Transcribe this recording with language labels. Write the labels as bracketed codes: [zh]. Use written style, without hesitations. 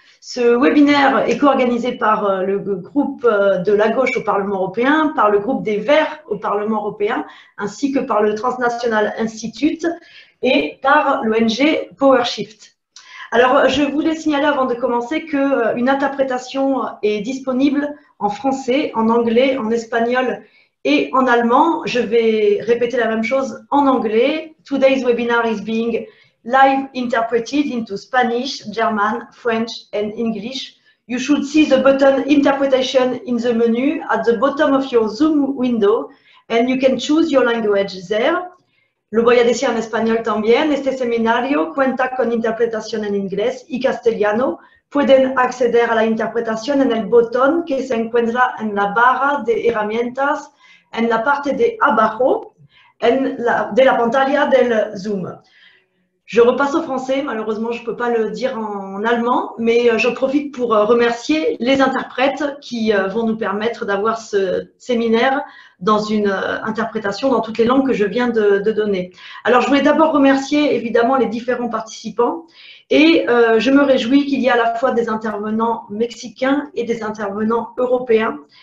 [fr] Ce webinaire est co-organisé par le groupe de la gauche au Parlement européen, par le groupe des Verts au Parlement européen, ainsi que par le Transnational Institute et par l'ONG PowerShift. Alors, je voulais signaler avant de commencer qu'une interprétation est disponible en français, en anglais, en espagnol et en allemand. Je vais répéter la même chose en anglais. [en] Today's webinar is being live interpreted into Spanish, German, French and English. You should see the button Interpretation in the menu at the bottom of your Zoom window and you can choose your language there. [es] Lo voy a decir en español también. Este seminario cuenta con interpretación en inglés y castellano. Pueden acceder a la interpretación en el botón que se encuentra en la barra de herramientas en la parte de abajo de la pantalla del Zoom. [fr] Je repasse au français. Malheureusement, je ne peux pas le dire en allemand, mais je profite pour remercier les interprètes qui vont nous permettre d'avoir ce séminaire dans une interprétation dans toutes les langues que je viens de donner. Alors, je voulais d'abord remercier évidemment les différents participants et je me réjouis qu'il y ait à la fois des intervenants mexicains et des intervenants européens.